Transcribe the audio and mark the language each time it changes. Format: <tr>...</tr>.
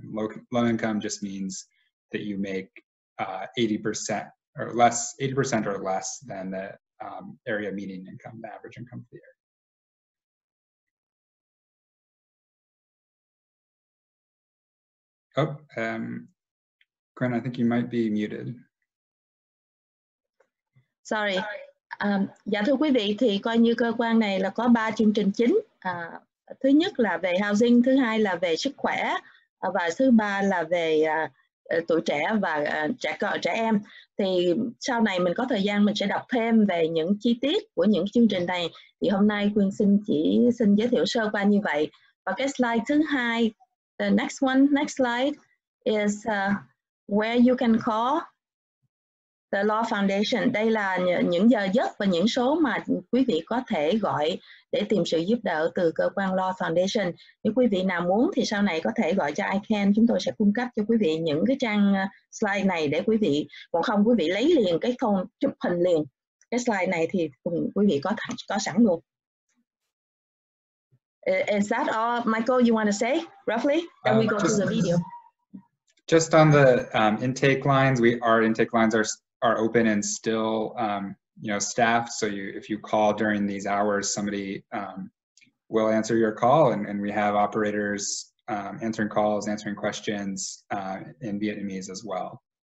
<en>Low income just means that you make 80% or less than the area median income, the average income for the area. Oh, Gwen, I think you might be muted. Sorry.</en> <vi>Dạ thưa quý vị, thì coi như cơ quan này là có ba chương trình chính. Thứ nhất là về housing, thứ hai là về sức khỏe, và thứ ba là về tuổi trẻ và trẻ em. Thì sau này mình có thời gian mình sẽ đọc thêm về những chi tiết của những chương trình này. Thì hôm nay Quyên chỉ xin giới thiệu sơ qua như vậy. Và cái slide thứ hai,</vi> <en>the next one, next slide is where you can call the Law Foundation.</en> <vi>Đây là những giờ giấc và những số mà quý vị có thể gọi để tìm sự giúp đỡ từ cơ quan Law Foundation. Nếu quý vị nào muốn thì sau này có thể gọi cho ICANN, chúng tôi sẽ cung cấp cho quý vị những cái trang slide này để quý vị, còn không quý vị lấy liền cái phone, chụp hình liền cái slide này thì quý vị có sẵn luôn.</vi> <en>Is that all, Michael, you want to say roughly? Then we go to the video. Just on the intake lines, our intake lines are open and still staffed, so if you call during these hours, somebody will answer your call, and we have operators answering calls, answering questions in Vietnamese as well.</en>